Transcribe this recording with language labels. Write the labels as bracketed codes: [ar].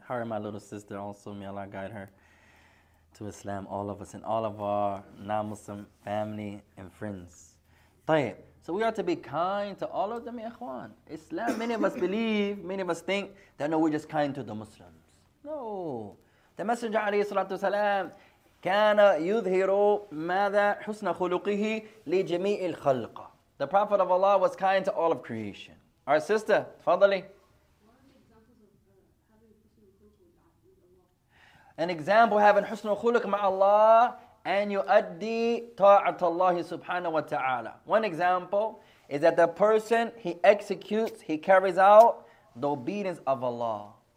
[en] Her and my little sister also, may Allah guide her to Islam, all of us and all of our non-Muslim family and friends. Tayyip. So we are to be kind to all of them, ikhwan. Islam, many of us believe, many of us think that no, we're just kind to the Muslims. No. The Messenger [ar] عليه الصلاة والسلام كان يظهر ماذا حسن خلقه لجميع الخلق. [en] The Prophet of Allah was kind to all of creation. Our sister, [ar] تفضلي. [en] An example of having [ar] حسن خلق مع [en] Allah and [ar] يؤدي طاعة الله سبحانه وتعالى. [en] One example is that the person, he executes, he carries out the obedience of Allah.